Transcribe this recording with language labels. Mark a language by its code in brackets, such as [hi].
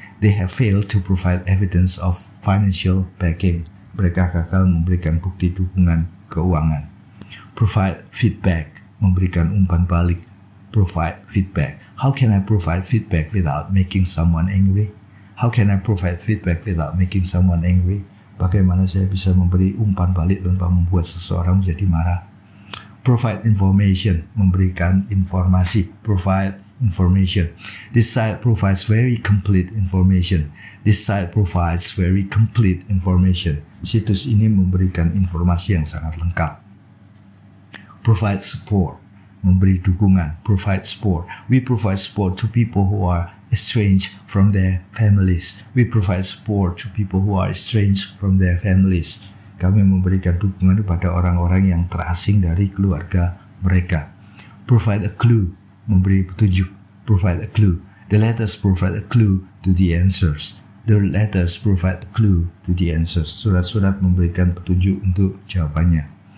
[en] They have failed to provide evidence of financial backing. [id] Mereka gagal memberikan bukti dukungan keuangan. [en] Provide feedback. [id] Memberikan umpan balik. [en] Provide feedback. How can I provide feedback without making someone angry? How can I provide feedback without making someone angry? [id] Bagaimana saya bisa memberi umpan balik tanpa membuat seseorang menjadi marah? [en] Provide information. [id] Memberikan informasi. [en] Provide information. This site provides very complete information. This site provides very complete information. [id] Situs ini memberikan informasi yang sangat lengkap. [en] Provide support. [id] Memberi dukungan. [en] Provide support. We provide support to people who are estranged from their families. We provide support to people who are estranged from their families. [id] Kami memberikan dukungan kepada orang-orang yang terasing dari keluarga mereka. [en] Provide a clue. [id] Memberi petunjuk. Provide a clue. [en] The letters provide a clue to the answers. The letters provide a clue to the answers. [id] Surat-surat memberikan petunjuk untuk jawabannya.